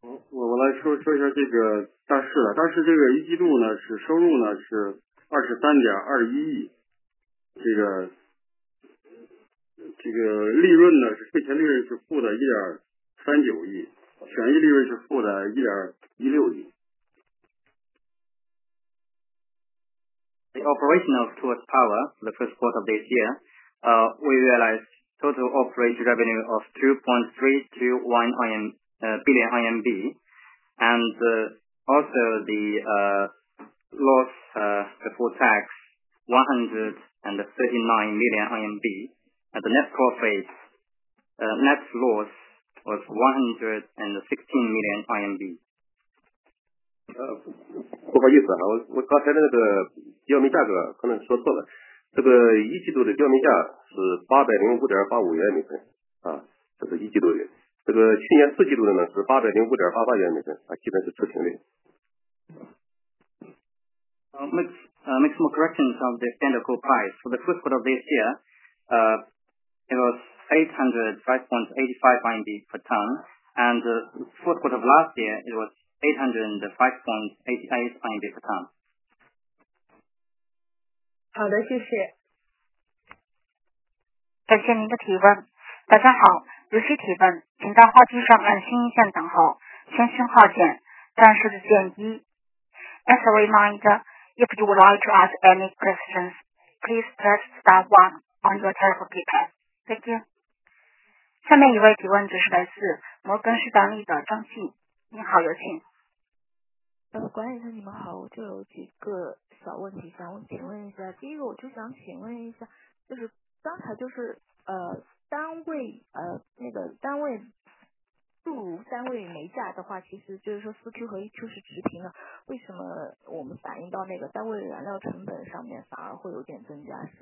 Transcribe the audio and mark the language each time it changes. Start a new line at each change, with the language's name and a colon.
Chinese: 我来说一下这个大势的，大势这个一季度呢是收入呢是23.21亿，这个利润呢是税前利润是-1.39亿，权益利润是-1.16亿。
English: The operation of Tuas Power the first quarter of this year, we realized total operating revenue of 2.321 billion RMB. And also the loss before tax, 139 million RMB. And the net profit, net loss was 116 million RMB.
Chinese: 不好意思啊，我刚才的那个标煤价格可能说错了。这个一季度的标煤价是805.85元每吨啊，这是一季度的。这个去年四季度的呢是805.88元每吨啊，基本是持平的。
English: Make some corrections of the standard coal price. For the first quarter of this year, it was 805.85 RMB per ton, and the fourth quarter of last year it was 805.88 RMB per ton.
Chinese: 好的，谢谢。感谢您的提问。大家好，如需提问，请到话机上按星一键等候，先讯号键，暂时的键一。
English: As a reminder, if you would like to ask any questions, please press star one on your telephone keypad. Thank you.
Chinese: 下面一位提问者是来自摩根士丹利的张静，你好，有请。管理层你们好，我就有几个小问题想请问一下。第一个，我就想请问一下，就是刚才就是单位煤价的话，其实就是说四 Q 和一 Q 是持平的，为什么我们反映到那个单位燃料成本上面反而会有点增加？